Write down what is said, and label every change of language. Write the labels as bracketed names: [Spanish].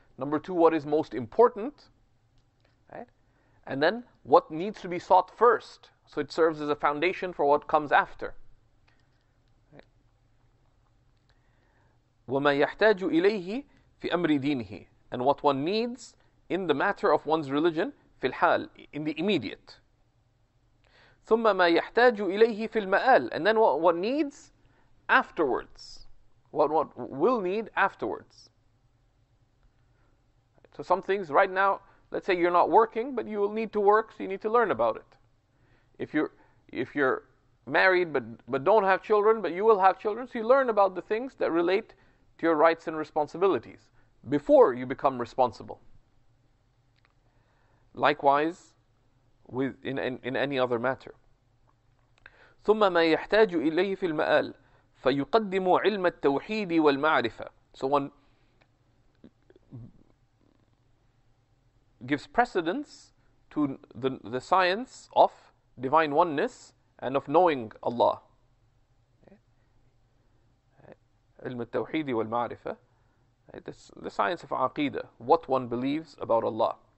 [English] Number two, what is most important, right? And then, what needs to be sought first. So, it serves as a foundation for what comes after. [Arabic] وَمَا يَحْتَاجُ إِلَيْهِ فِي أَمْرِ دِينِهِ. [English] And what one needs in the matter of one's religion, [Arabic] فِي الْحَالِ, [English] in the immediate. [Arabic] ثم ما يحتاج إليه في المآل. [English] And then what one needs afterwards. What will need afterwards. So some things right now, let's say you're not working, but you will need to work, so you need to learn about it. If you're married but don't have children, but you will have children, so you learn about the things that relate to your rights and responsibilities before you become responsible. Likewise, in any other matter. [Arabic] ثم ما يحتاج إليه في المآل فيقدم علم التوحيد والمعرفة. [English] So one gives precedence to the science of divine oneness and of knowing Allah. [Arabic] علم التوحيد والمعرفة, [English] the science of عقيدة, what one believes about Allah.